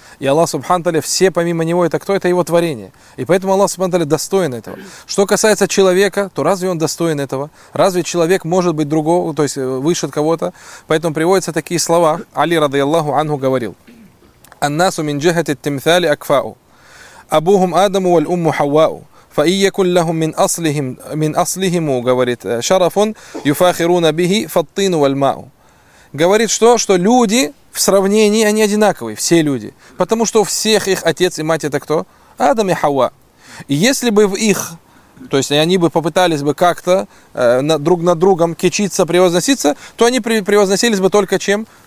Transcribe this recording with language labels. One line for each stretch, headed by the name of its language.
Russian: И Аллах субхану тааля все помимо него, это кто? Это его творение. И поэтому Аллах субхану тааля достоин этого. Что касается человека, то разве он достоин этого? Разве человек может быть другого, то есть выше кого-то? Поэтому приводятся такие слова. Али ради Аллаху ангу говорил:
Arabic: «Аннасу мин джихати тимфали акфау, абухум адаму валь умму хавау». فَإِيَّكُنْ لَهُمْ مِنْ أَصْلِهِمُ
Russian: говорит
Arabic: شَرَفٌ يُفَاخِرُونَ بِهِ فَالطِّينُ وَالْمَاءُ.
Russian: Говорит, что люди в сравнении, они одинаковые, все люди. Потому что у всех их отец и мать это кто? Адам и Хава. И если бы в их, то есть они бы попытались бы как-то друг над другом кичиться, превозноситься, то они превозносились бы только чем?